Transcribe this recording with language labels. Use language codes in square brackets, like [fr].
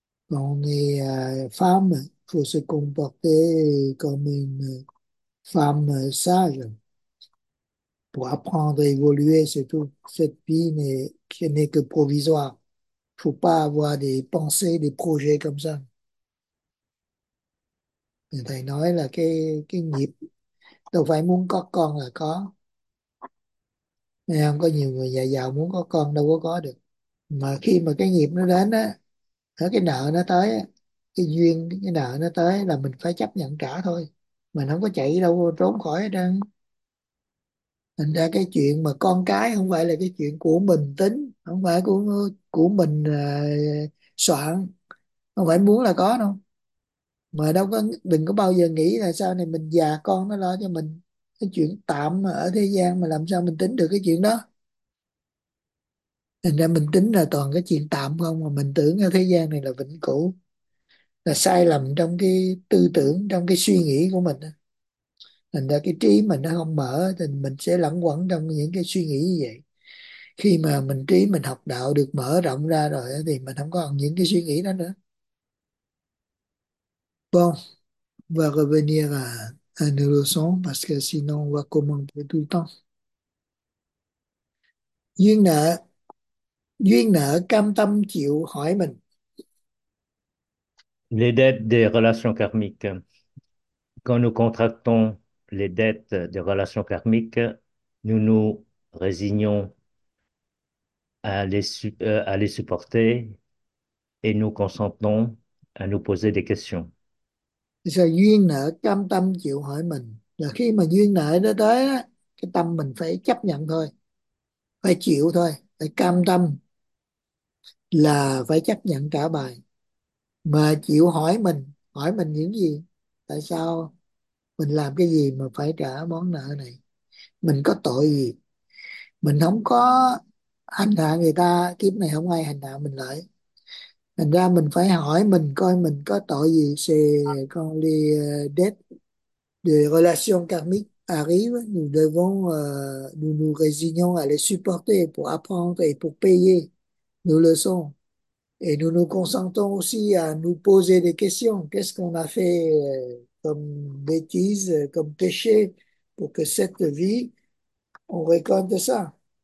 [fr] Quand on est femme, il faut se comporter comme une femme sage pour apprendre à évoluer, surtout cette vie qui n'est que provisoire. Il faut pas avoir des pensées, des projets comme ça. [vi] Người thầy nói là cái nghiệp đâu phải muốn có con là có. Nên không có nhiều người nhà giàu muốn có con đâu có được. Mà khi mà cái nghiệp nó đến á, cái nợ nó tới, cái duyên cái nợ nó tới là mình phải chấp nhận trả thôi. Mình không có chạy đâu trốn khỏi đâu. Thành ra cái chuyện mà con cái không phải là cái chuyện của mình tính, không phải của mình soạn, không phải muốn là có đâu. Mà đâu có, đừng có bao giờ nghĩ là sau này mình già con nó lo cho mình. Cái chuyện tạm ở thế gian mà làm sao mình tính được cái chuyện đó. Thành ra mình tính là toàn cái chuyện tạm không, mà mình tưởng ở thế gian này là vĩnh cửu. Là sai lầm trong cái tư tưởng, trong cái suy nghĩ của mình. Thành ra cái trí mình nó không mở thì mình sẽ lẩn quẩn trong những cái suy nghĩ như vậy. Khi mà mình trí mình học đạo được mở rộng ra rồi thì mình không còn những cái suy nghĩ đó nữa. [fr] Bon, va revenir à nos leçons parce que sinon on va commenter tout le temps. [vi] Duyên nợ cam tâm chịu hỏi mình. [fr] Les dettes des relations karmiques. Quand nous contractons les dettes des relations karmiques, nous nous résignons à les supporter et nous consentons à nous poser des questions. [vi] Sao duyên nợ cam tâm chịu hỏi mình? Là khi mà duyên nợ nó tới, cái tâm mình phải chấp nhận thôi, phải chịu thôi, phải cam tâm là phải chấp nhận cả bài. Mà chịu hỏi mình những gì, tại sao mình làm cái gì mà phải trả món nợ này, mình có tội gì, mình không có hành hạ người ta, kiếp này không ai hành hạ mình lại. Thành ra mình phải hỏi mình coi mình có tội gì. [fr] C'est quand les dettes de relations karmiques arrivent, nous devons, nous nous résignons à les supporter pour apprendre et pour payer nos leçons. Et nous nous consentons aussi à nous poser des questions. Qu'est-ce qu'on a fait comme bêtise, comme péché, pour que cette vie, on récolte ça.